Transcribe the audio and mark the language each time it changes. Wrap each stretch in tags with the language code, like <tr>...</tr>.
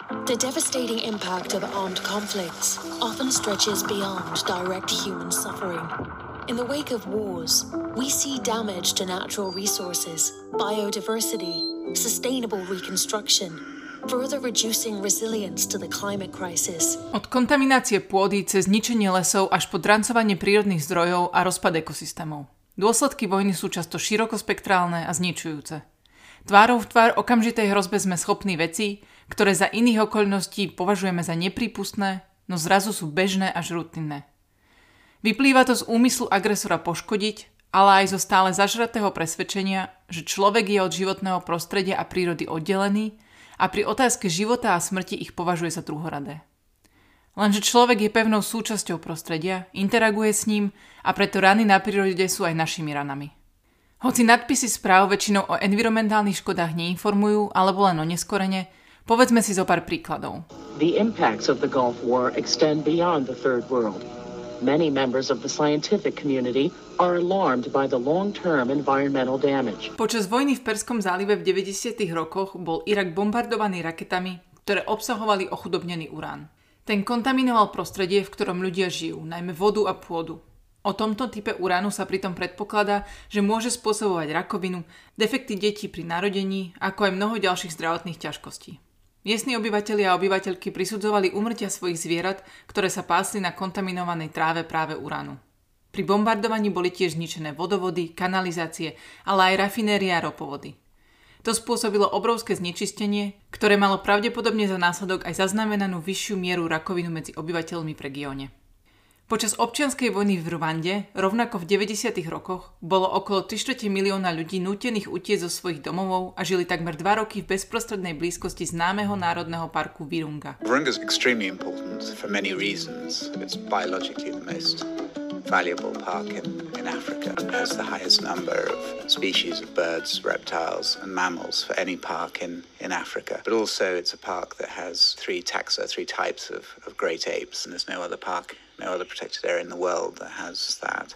<en>The devastating impact of armed conflicts often stretches beyond direct human suffering. In the wake of wars, we see damage to natural resources, biodiversity, sustainable reconstruction, further reducing resilience to the climate crisis.</en> <sk>Od kontaminácie pôdy cez zničenie lesov až po drancovanie prírodných zdrojov a rozpad ekosystémov. Dôsledky vojny sú často širokospektrálne a zničujúce. Tvárou v tvár okamžitej hrozbe sme schopní veci, ktoré za iných okolností považujeme za neprípustné, no zrazu sú bežné až rutinné. Vyplýva to z úmyslu agresora poškodiť, ale aj zo stále zažratého presvedčenia, že človek je od životného prostredia a prírody oddelený a pri otázke života a smrti ich považuje za druhoradé. Lenže človek je pevnou súčasťou prostredia, interaguje s ním a preto rany na prírode sú aj našimi ranami. Hoci nadpisy správ väčšinou o environmentálnych škodách neinformujú, alebo len oneskorene, povedzme si zo pár príkladov.</sk> <en>The impacts of the Gulf War extend beyond the third world. Many members of the scientific community are alarmed by the long-term environmental damage.</en> <sk>Počas vojny v Perskom zálive v 90. rokoch bol Irak bombardovaný raketami, ktoré obsahovali ochudobnený urán. Ten kontaminoval prostredie, v ktorom ľudia žijú, najmä vodu a pôdu. O tomto type uránu sa pritom predpokladá, že môže spôsobovať rakovinu, defekty detí pri narodení, ako aj mnoho ďalších zdravotných ťažkostí. Miestni obyvatelia a obyvateľky prisudzovali úmrtia svojich zvierat, ktoré sa pásli na kontaminovanej tráve práve uránu. Pri bombardovaní boli tiež zničené vodovody, kanalizácie, ale aj rafinérie a ropovody. To spôsobilo obrovské znečistenie, ktoré malo pravdepodobne za následok aj zaznamenanú vyššiu mieru rakovinu medzi obyvateľmi v regióne. Počas občianskej vojny v Rwande, rovnako v 90. rokoch, bolo okolo 3/4 milióna ľudí nútených utiecť zo svojich domovov a žili takmer 2 roky v bezprostrednej blízkosti známeho národného parku Virunga.</sk> <en>Virunga is extremely important for many reasons. It's biologically the most valuable park in Africa. It has the highest number of species of birds, reptiles and mammals for any park in Africa. But also it's a park that has three types of great apes and there's no other protected area in the world that has that.</en>